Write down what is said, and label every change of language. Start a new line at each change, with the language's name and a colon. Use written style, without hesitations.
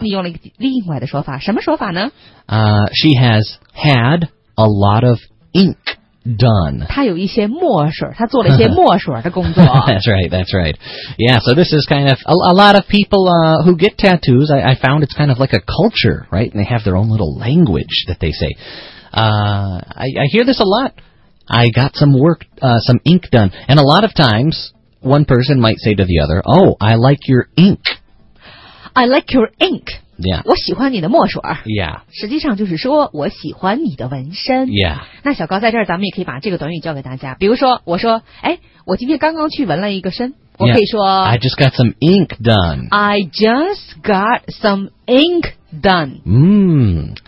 Chinese: 你用了一个另外的说法，什么说法呢？
English: She has had a lot of ink done.
Chinese: 他有一些墨水，他做了一些墨水的工作。
English: That's right, that's right. Yeah, so this is kind of, a lot of people who get tattoos, I found it's kind of like a culture, right? And they have their own little language that they say. I hear this a lot. I got some work, some ink done. And a lot of times, one person might say to the other, oh, I like your ink. I like your ink. Yeah.
Chinese: 我喜欢你的墨水。
English: Yeah.
Chinese: 实际上就是说我喜欢你的纹身。
English: Yeah.
Chinese: 那小高在这儿咱们也可以把这个短语教给大家。比如说我说哎，我今天刚刚去纹了一个身。我可以说、
English: yeah. I just got some ink done. I just got some ink done.